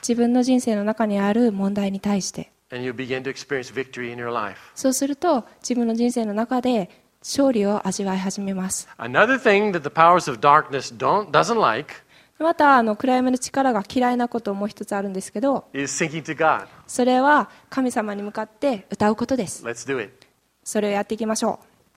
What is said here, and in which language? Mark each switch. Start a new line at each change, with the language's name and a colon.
Japanese: 自分の人生の中にある問題に対して。
English: And you begin to experience victory in your life.
Japanese: そうすると自分の人生の中で勝利を味わい始めます。
English: Another thing that the powers of darkness doesn't like.
Japanese: また暗闇の力が嫌いなことをもう一つあるんですけど。
English: Is singing to God.
Japanese: それは神様に向かって歌うことです。
English: Let's do it.
Japanese: それをやっていきましょう。